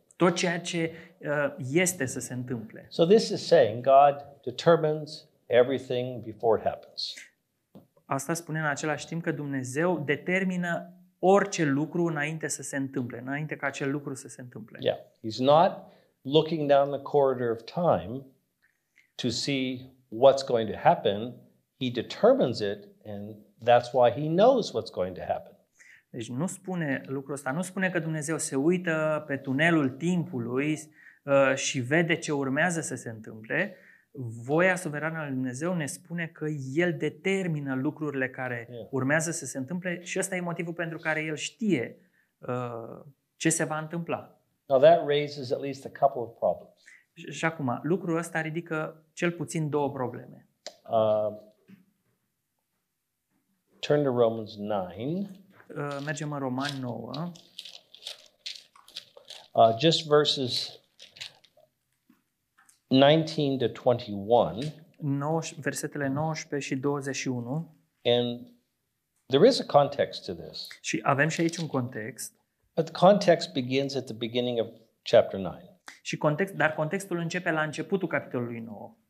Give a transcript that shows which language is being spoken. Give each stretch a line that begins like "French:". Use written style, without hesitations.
Romanian: tot ceea ce este să se întâmple.
English: So this is saying God determines everything before it happens.
Romanian: Asta spune în același timp că Dumnezeu determină orice lucru înainte să se întâmple, înainte ca acel lucru să se întâmple.
English: Yeah, he's not looking down the corridor of time to see what's going to happen. He determines it, and that's why he knows what's going to happen.
Romanian: Deci nu spune lucrul ăsta, nu spune că Dumnezeu se uită pe tunelul timpului și vede ce urmează să se întâmple. Voia suverană a lui Dumnezeu ne spune că El determină lucrurile care urmează să se întâmple și ăsta e motivul pentru care El știe ce se va întâmpla.
English: Now that raises at least a couple of problems.
Romanian: Și acum, lucrul ăsta ridică cel puțin două probleme.
English: Turn to Romans 9.
Romanian: Mergem în Romani 9.
English: Just verses 19 to 21.
Romanian: Versetele 19 și 21.
English: And there is a context to this.
Romanian: Și avem și aici un context.
English: But the context begins at the beginning of chapter 9.
Romanian: Și context, dar contextul începe la începutul capitolului 9.